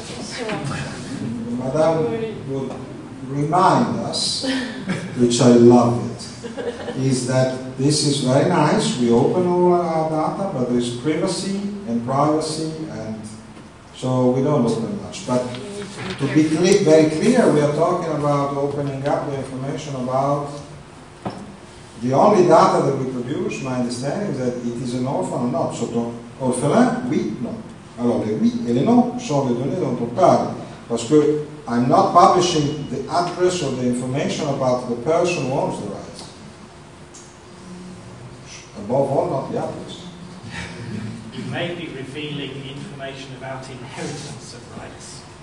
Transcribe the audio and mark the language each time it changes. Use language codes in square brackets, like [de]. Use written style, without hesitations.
[en] Madame would remind us, which I love it, is that this is very nice, we open all our data, but there's privacy and privacy, and so we don't open much. But to be very clear, we are talking about opening up the information about the only data that we produce. My understanding is that it is an orphan or not. [fr] So, orphelin, oui, non. Alors, les oui et les non sont les données dont on parle. Parce que [en] I'm not publishing the address or the information about the person who owns the right. Above all, not the others. You may be revealing information about inheritance of rights.